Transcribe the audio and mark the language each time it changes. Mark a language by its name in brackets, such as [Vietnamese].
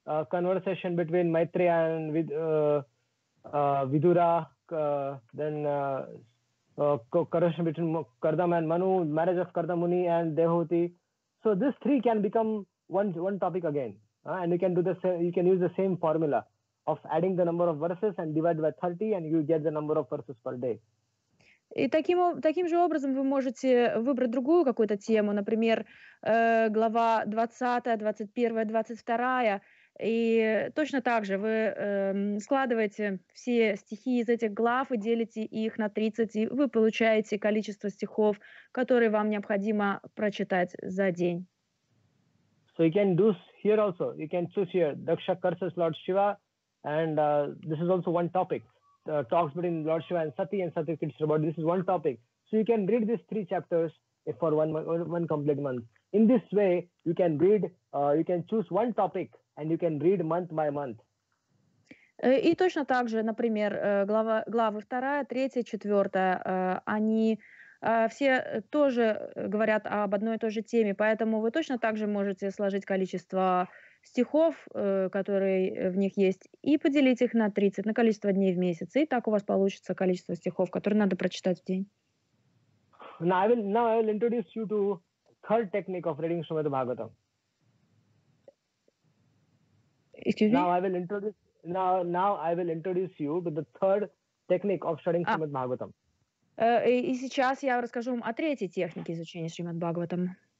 [English] Conversation between Maitreya and Vidura, conversation between Kardam and Manu, marriage of Kardamuni and Devahuti. So these three can become one topic again, and you can use the same formula of adding the number of verses and divide by 30, and you get the number of verses per day. [Russian] И таким же образом вы можете выбрать другую какую-то тему, например, глава 20, 21, 22, и точно так же вы складываете все стихи из этих глав и делите их на 30, и вы получаете количество стихов, которые вам необходимо прочитать за день. [English] So you can do here also, you can choose here, Daksha curses Lord Shiva, and this is also one topic. Talks between Lord Shiva and Sati Krishna about this is one topic. So you can read these three chapters for one complete month. In this way, you can read, you can choose one topic and you can read month by month. [Russian] И точно так же, например, главы 2, 3, 4, они все тоже говорят об одной и той же теме, поэтому вы точно так же можете сложить количество стихов, которые в них есть, и поделить их на 30, на количество дней в месяц. И так у вас получится количество стихов, которые надо прочитать в день. [English] Now I will introduce you to third technique of reading Shrimad Bhagavatam. Excuse me? Now I will introduce you to the third technique of studying Shrimad Bhagavatam. [Russian] И сейчас я расскажу вам о третьей технике изучения Шримад Бхагаватам.